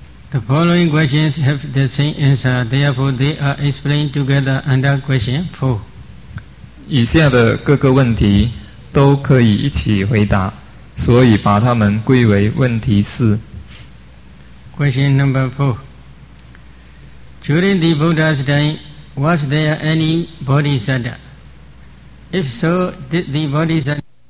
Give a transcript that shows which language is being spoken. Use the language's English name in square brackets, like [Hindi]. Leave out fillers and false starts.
[English] The following questions have the same answer, therefore they are explained together under question 4. [Chinese] 以下的各个问题都可以一起回答，所以把它们归为问题4。 [English] Question number 4. During the Buddha's time, was there any Bodhisattva? If so, did the Bodhisattva